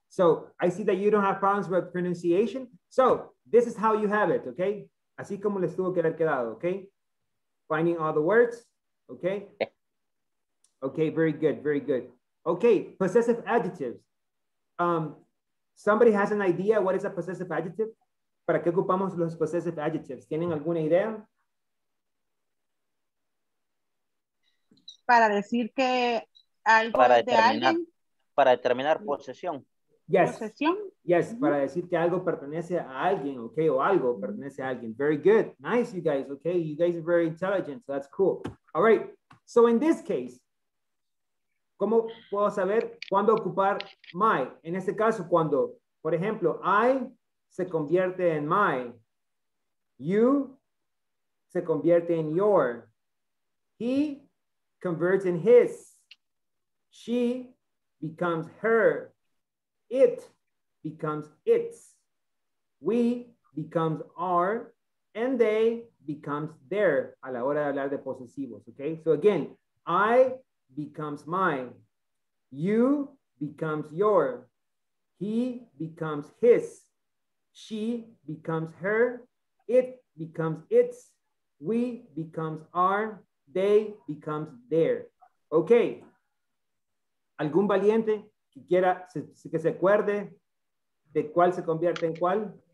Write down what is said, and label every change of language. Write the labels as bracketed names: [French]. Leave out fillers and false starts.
[English] So I see that you don't have problems with pronunciation. So this is how you have it, okay? [Spanish] Así como les tuvo que haber quedado, okay? [English] Finding all the words, okay? Okay, very good, very good. Okay, possessive adjectives. Somebody has an idea what is a possessive adjective? [Spanish] ¿Para qué ocupamos los possessive adjectives? ¿Tienen alguna idea? Para decir que algo para determinar, de alguien. Para determinar posesión. [English] Yes. [Spanish] Posesión. [English] Yes, mm-hmm. [Spanish] Para decir que algo pertenece a alguien, okay, o algo pertenece a alguien. [English] Very good. Nice, you guys, okay? You guys are very intelligent, so that's cool. All right, so in this case, [Spanish] ¿cómo puedo saber cuándo ocupar [English] my? [Spanish] En este caso, cuando, por ejemplo, [English] I se convierte en my, you se convierte en your, he converts in his, she becomes her, it becomes its, we becomes our, and they becomes their, [Spanish] a la hora de hablar de posesivos, [English] okay? So again, I becomes mine, you becomes your, he becomes his, she becomes her, it becomes its, we becomes our, they becomes their, okay? [Spanish] ¿Algún valiente que quiera que se acuerde de cuál se convierte en cuál?